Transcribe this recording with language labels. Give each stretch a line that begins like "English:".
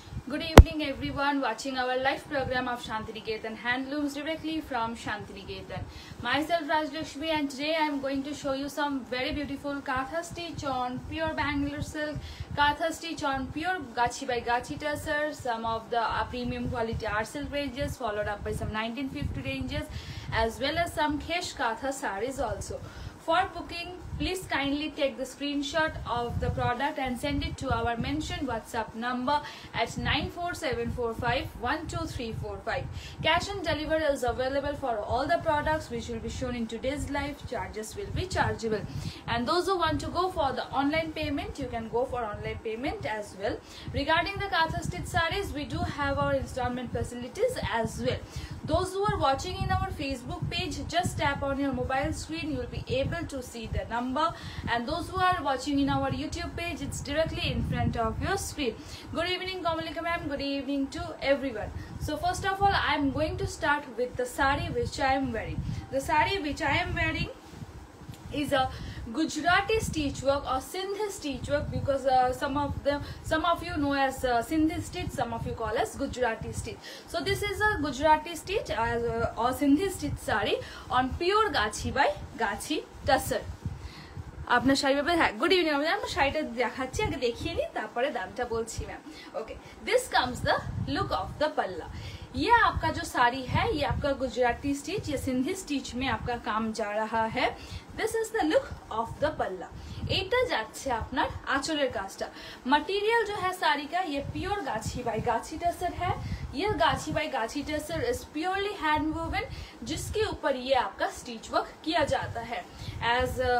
English: Good evening everyone watching our live programme of Santiniketan handlooms directly from Santiniketan myself Rajlakshmi and today I am going to show you some very beautiful kantha stitch on pure Bangalore silk kantha stitch on pure gachhi by gachhi tussar some of the premium quality art silk ranges followed up by some 1950 ranges as well as some khesh kantha saris also For booking, please kindly take the screenshot of the product and send it to our mentioned WhatsApp number at 947451234545. Cash on delivery is available for all the products which will be shown in today's live. Charges will be chargeable. And those who want to go for the online payment, you can go for online payment as well. Regarding the Katha Stitch Sarees, we do have our installment facilities as well. Those who are watching in our Facebook page, just tap on your mobile screen, you will be able to see the number. And those who are watching in our YouTube page, it's directly in front of your screen. Good evening, Komalika ma'am. Good evening to everyone. So first of all, I'm going to start with the sari which I am wearing. The sari which I am wearing is a Gujarati stitch work or Sindhi stitch work because some of you know as Sindhi stitch, some of you call as Gujarati stitch. So this is a Gujarati stitch or Sindhi stitch sari on pure gachi by gachi tassar.
Bangla: আপনার শাড়ি ব্যাপারে হ্যাঁ good evening আমি আপনার শাড়িটা দেখাচ্ছি আগে দেখিয়ে নিই তারপরে দামটা বলছি ma'am
English: okay this comes the look of the palla
Hindi: ये आपका जो साड़ी है ये आपका गुजराती स्टिच या सिंधी स्टिच में आपका काम जा रहा है
English: this is the look of the पल्ला
Bangla: एटा जाच्छे आपनार आचलेर काजटा
Hindi: मटेरियल जो है साड़ी का ये प्योर गाछी बाई गाछी टसर है ये गाछी बाई गाछी tussar
English: is purely hand woven
Hindi: जिसके ऊपर ये आपका स्टिच वर्क किया जाता है एज